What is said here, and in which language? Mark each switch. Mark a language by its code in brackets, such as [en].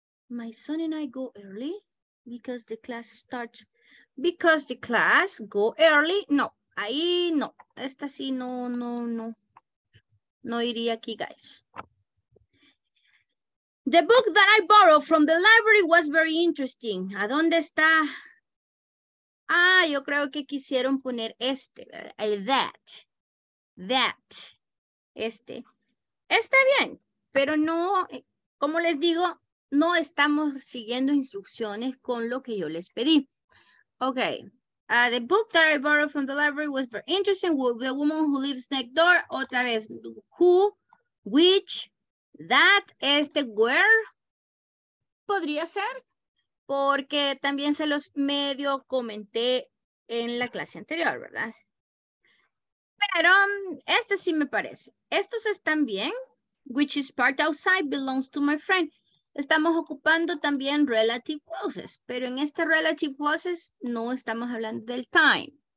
[en] My son and I go early because the class starts. Because the class go early. [es] No. Ahí no. Esta sí no. No iría aquí, guys. [en] The book that I borrowed from the library was very interesting. [es] ¿A dónde está? Ah, yo creo que quisieron poner este, ¿verdad? El that. Este. Está bien, pero no, como les digo, no estamos siguiendo instrucciones con lo que yo les pedí. Ok. [en] The book that I borrowed from the library was very interesting. The woman who lives next door. [es] Otra vez. [en] Who, which, that, este, where. [es] Podría ser. Porque también se los medio comenté en la clase anterior, ¿verdad? Pero este sí me parece. Estos están bien. [en] Which is parked outside belongs to my friend. [es] Estamos ocupando también relative clauses, pero en este relative clauses no estamos hablando del time.